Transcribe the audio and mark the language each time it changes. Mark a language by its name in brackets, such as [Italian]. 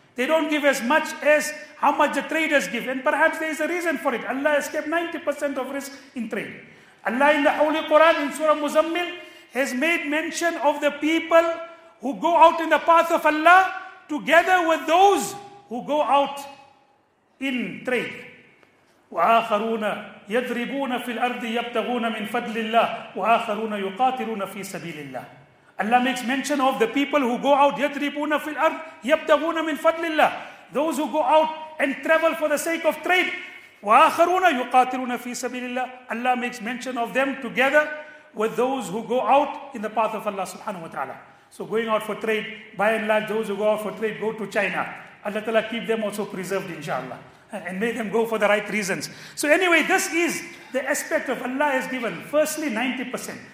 [English] They don't give as much as how much the traders give. And perhaps there is a reason for it. Allah has kept 90% of risk in trade. Allah in the Holy Quran, in Surah Muzammil, has made mention of the people who go out in the path of Allah together with those who go out in trade. [Arabic] وآخرون يضربون في الأرض يبتغون من فضل الله وآخرون يقاتلون في سبيل الله. [English] Allah makes mention of the people who go out [Arabic] يضربون في الأرض يبتغون من فضل الله. [English] Those who go out and travel for the sake of trade. [Arabic] وآخرون يقاتلون في سبيل الله. [English] Allah makes mention of them together with those who go out in the path of Allah subhanahu wa ta'ala. So going out for trade, by and large, those who go out for trade go to China. Allah Ta'ala keep them also preserved, inshallah. And make them go for the right reasons. So anyway, this is the aspect of Allah has given. Firstly, 90%.